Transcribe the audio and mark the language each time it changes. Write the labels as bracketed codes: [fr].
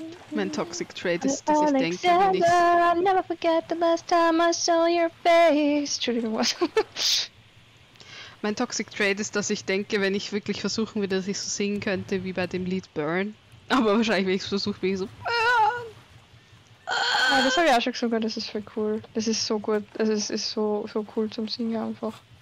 [de] Mein toxic trait ist, dass ich denke, wenn ich... [en] I'll never forget the last time I saw your face. [de] Mein toxic trait ist, dass ich denke, wenn ich wirklich versuchen würde, dass ich so singen könnte wie bei dem Lied Burn. Aber wahrscheinlich, wenn ich es versuche, bin ich so... Ja, das habe ich auch schon gesungen, das ist voll cool. Das ist so gut, also es ist so, so cool zum Singen einfach.